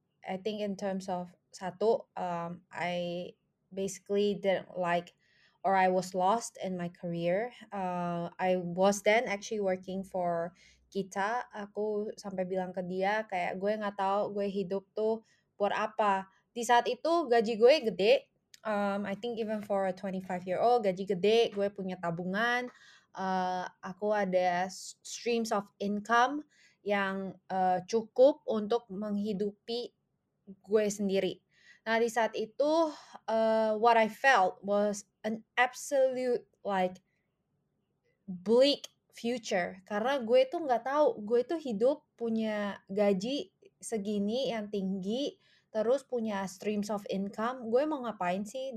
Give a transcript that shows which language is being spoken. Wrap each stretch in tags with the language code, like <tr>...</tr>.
<en>I think in terms of</en> <id>satu,</id> <en>I basically didn't like or I was lost in my career. I was then actually working for Kita.</en> <id>Aku sampai bilang ke dia kayak gue nggak tahu gue hidup tuh buat apa. Di saat itu gaji gue gede.</id> <en>I think even for a 25-year-old,</en> <id>gaji gede, gue punya tabungan. Aku ada</id> <en>streams of income</en> <id>yang cukup untuk menghidupi gue sendiri. Nah, di saat itu,</id> <en>what I felt was an absolute, like, bleak future.</en> <id>Karena gue tuh gak tahu, gue tuh hidup punya gaji segini yang tinggi, terus punya</id> <en>streams of income,</en> <id>gue mau ngapain sih?</id>